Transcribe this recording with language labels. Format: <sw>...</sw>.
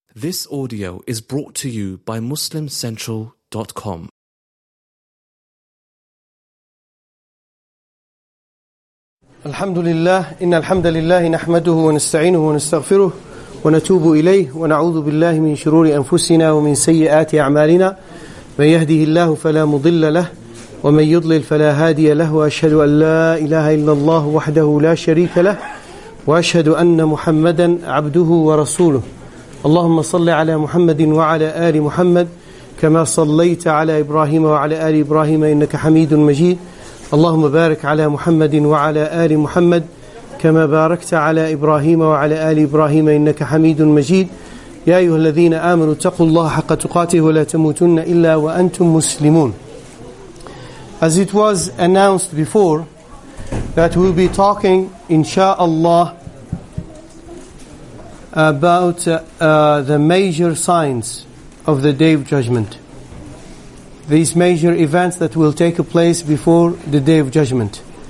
<en>This audio is brought to you by MuslimCentral.com.</en> <ar>الحمد لله إن الحمد لله نحمده ونستعينه ونستغفره ونتوب إليه ونعوذ بالله من شرور أنفسنا ومن سيئات أعمالنا من يهده الله فلا مضل له ومن يضلل فلا هادي له وأشهد أن لا إله إلا الله وحده لا شريك له وأشهد أن محمدا عبده ورسوله اللهم صل على محمد وعلى آل محمد كما صليت على إبراهيم وعلى آل إبراهيم إنك حميد مجيد اللهم بارك على محمد وعلى آل محمد كما باركت على إبراهيم وعلى آل إبراهيم إنك حميد مجيد يا أيها الذين آمنوا اتقوا الله حق تقاته ولا تموتن إلا وأنتم مسلمون.</ar> <en>As it was announced before that we'll be talking inshallah about the major signs of the Day of Judgment. These major events that will take place before the Day of Judgment.</en>